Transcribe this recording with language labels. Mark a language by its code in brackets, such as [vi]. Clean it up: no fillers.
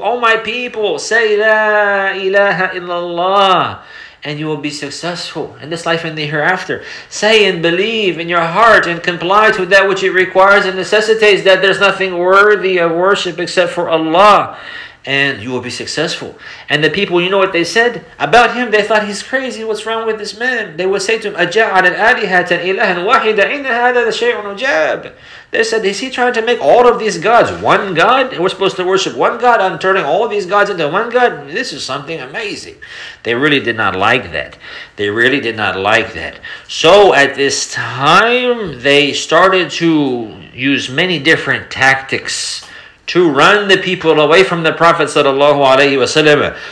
[en] Oh my people, say la ilaha illallah, and you will be successful in this life and the hereafter. Say and believe in your heart and comply to that which it requires and necessitates, that there's nothing worthy of worship except for Allah, and you will be successful. And the people, you know what they said about him? They thought he's crazy. What's wrong with this man? They would say to him, [ar] أَجَعَلَ الْآلِهَةَ إِلَهًا وَاحِدًا إِنَّ هَذَا الشَّيْءٌ عُجَابٌ. [en] They said, is he trying to make all of these gods one god? And we're supposed to worship one god? I'm turning all of these gods into one god? This is something amazing. They really did not like that. They really did not like that. So at this time, they started to use many different tactics to run the people away from the Prophet sallallahu alayhi wa sallam.